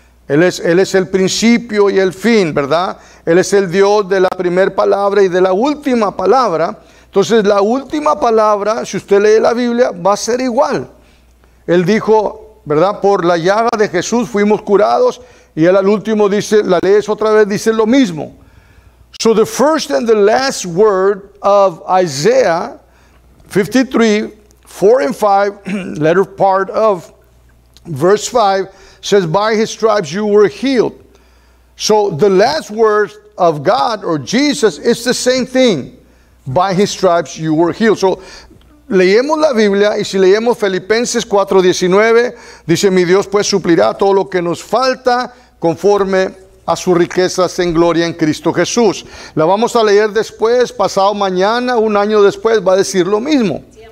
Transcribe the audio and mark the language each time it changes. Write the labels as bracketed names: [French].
[Spanish] Él es el principio y el fin, ¿verdad? Él es el Dios de la primer palabra y de la última palabra. Entonces, la última palabra, si usted lee la Biblia, va a ser igual. Él dijo, ¿verdad? Por la llaga de Jesús fuimos curados. Y Él al último dice, la ley es otra vez, dice lo mismo. [English] So, the first and the last word of Isaiah 53:4-5, letter part of verse 5, says, by His stripes you were healed. So the last word of God or Jesus is the same thing. By His stripes you were healed. [Spanish] So, leemos la Biblia y si leemos Filipenses 4:19, dice, mi Dios pues suplirá todo lo que nos falta conforme a sus riquezas en gloria en Cristo Jesús. La vamos a leer después, pasado mañana, un año después, va a decir lo mismo.